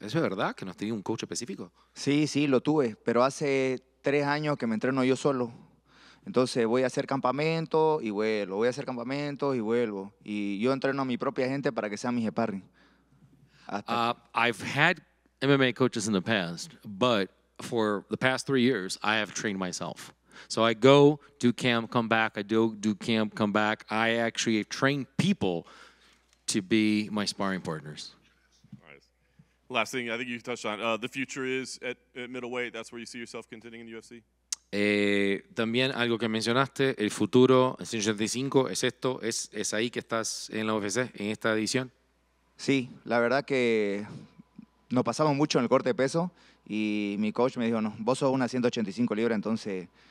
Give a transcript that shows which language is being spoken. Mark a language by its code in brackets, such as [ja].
[es] ¿Eso es verdad que no has tenido un coach específico? Sí, lo tuve, pero hace 3 años que me entreno yo solo. Entonces voy a hacer campamento y vuelvo, voy a hacer campamento y vuelvo. Y yo entreno a mi propia gente para que sean mis sparring. [en] I've had MMA coaches in the past, but for the past 3 years I have trained myself. So I go, do camp, come back. I do camp, come back. I actually train people to be my sparring partners. Nice. Last thing, I think you touched on. The future is at middleweight. That's where you see yourself contending in the UFC? [es] También algo que mencionaste, el futuro, 185, ¿es esto? ¿Es ahí que estás en la UFC, en esta edición? Sí, la verdad que nos pasamos mucho en el corte de peso y mi coach me dijo, no, vos sos una 185 libras, entonces...